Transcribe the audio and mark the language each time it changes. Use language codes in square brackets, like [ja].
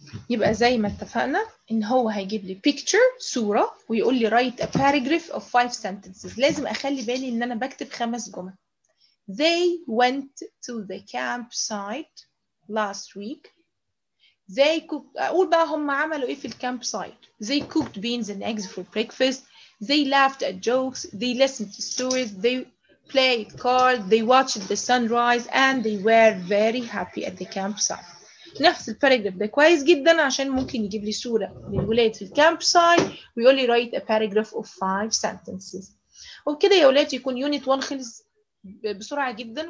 [ar] يبقى زي ما اتفقنا ان هو هيجيب لي picture صورة ويقول لي [en] write a paragraph of 5 sentences. [ar] لازم اخلي بالي ان انا بكتب 5 جمل. [en] They went to the campsite last week. They cooked. [ar] أقول بقى هم عملوا إيه في الكامبسايت. [en] They cooked beans and eggs for breakfast. They laughed at jokes. They listened to stories. They played cards. They watched the sunrise. And they were very happy at the campsite. [ar] نفس الparagraph ده كويس جدا عشان ممكن يجيب لي صورة للولاد في الكامبسايت. [en] We only write a paragraph of 5 sentences. [ar] وبكده يا ولاد يكون unit 1 خلص بسرعة جدا.